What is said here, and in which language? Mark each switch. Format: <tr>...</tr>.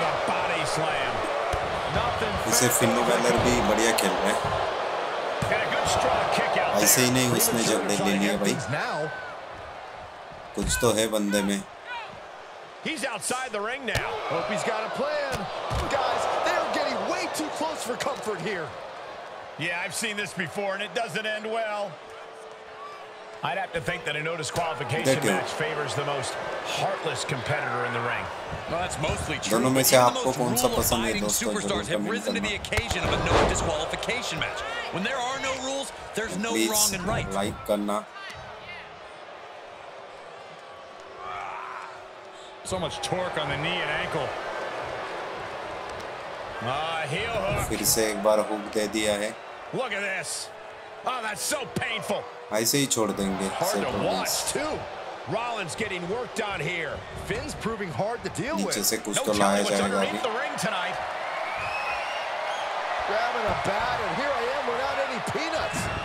<hi>इसे FinnBalor भी बढ़िया खेल रहे हैं, ऐसे ही नहीं उसने झगड़े ले लिया भाई, कुछ तो है बंदे में।</hi> <en>He's outside the ring now. Hope he's got a plan. Guys, they're getting way too close for comfort here. Yeah, I've seen this before and it doesn't end well. I'd have to think that a no disqualification match favors the most heartless competitor in the ring. Well, that's mostly true.</en> <hi>दोनों में से आपको कौन सा पसंद है दोस्तों?</hi> <en>Superstars have risen to the occasion of a no disqualification match. When there are no rules, there's no wrong and right. Like karna. So much torque on the knee and ankle. Heel hook.</en> <hi>फिर से एक बार hook दे दिया है।</hi> <en>Look at this. Oh, that's so painful.</en> <hi>ऐसे ही छोड़ देंगे।</hi> <en>Hard to watch too. Rollins getting worked out here. Finn's proving hard to deal with.</en> <hi>नीचे से कुछ तो लाया जाएगा अभी।</hi> <en>Grabbing a bat, and here I am without any peanuts.</en>